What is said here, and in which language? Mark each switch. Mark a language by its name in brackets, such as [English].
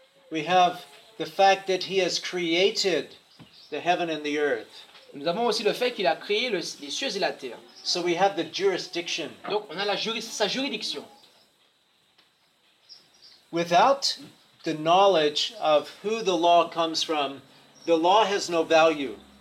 [English] We have the fact that he has created the heaven and the earth. [French] Nous avons aussi le fait qu'il a créé les cieux et la terre. [English] So we have the jurisdiction. [French] Donc, on a sa juridiction. [English] Without the knowledge of who the law comes from, the law has no value.